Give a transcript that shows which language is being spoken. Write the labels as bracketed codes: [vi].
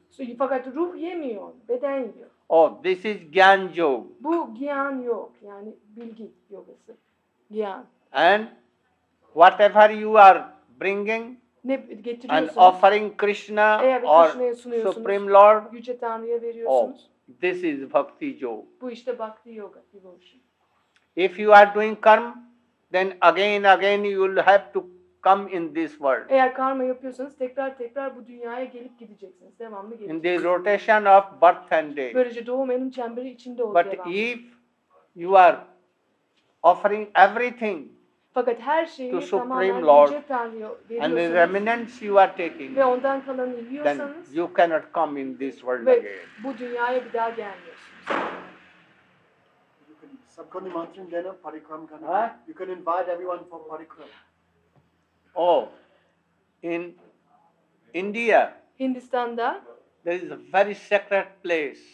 [tr] Fakat ruh yemiyor, beden yiyor. [en] Oh, this is gyan yoga. [tr] Bu gyan yoga, yani bilgi yogası. Gyan. [en] And whatever you are bringing [tr] ne [en] and offering Krishna or Supreme Lord, [tr] Yüce Tanrı'ya veriyorsunuz. [en] Oh, this is bhakti yoga. [tr] Bu işte bhakti yoga. [en] If you are doing karma, then again you will have to come in this world. [tr] Eğer karma yapıyorsanız tekrar bu dünyaya gelip gideceksiniz. Devamlı gelip. [en] In the rotation of birth and death. [tr] Böylece doğum ölüm çemberi içinde olacak. [en] But if you are offering everything [tr] fakat her şeyi [en] to Supreme Lord and the remnants you are taking [tr] ve ondan kalanı yiyorsanız [en] then you cannot come in this world [tr] ve [en] again. [tr] Bu dünyaya bir daha gelmiyorsunuz. [hi] Sabkondi Mantrin Dena Parikram Kana. [en] You can invite everyone for Parikram. Oh, in India. [tr] Hindistan'da. [en] There is a very secret place.